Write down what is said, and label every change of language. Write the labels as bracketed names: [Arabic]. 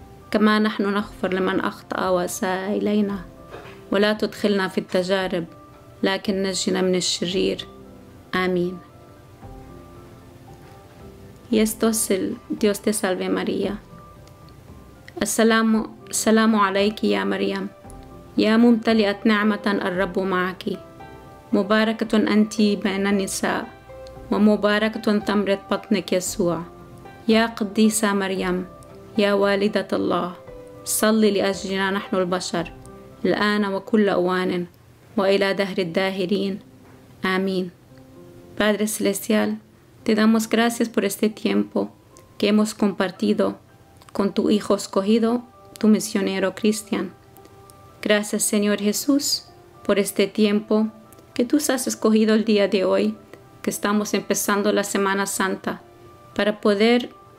[Arabic] كما نحن نغفر لمن أخطأ وساء إلينا ولا تدخلنا في التجارب لكن نجنا من الشرير آمين. [Spanish] Y esto es el Dios te salve María. [Arabic] السلام عليك يا مريم يا ممتلئة نعمة الرب معك مباركة أنت بين النساء ومباركة ثمرة بطنك يسوع يا قديسة مريم يا والدة الله صلي لأجلنا نحن البشر الآن وكل أوان وإلى دهر الداهرين آمين. [Spanish] Padre Celestial, te damos gracias por este tiempo que hemos compartido con tu Hijo escogido, tu misionero Cristian. Gracias, Señor Jesús, por este tiempo que tú has escogido el día de hoy, que estamos empezando la Semana Santa, para poder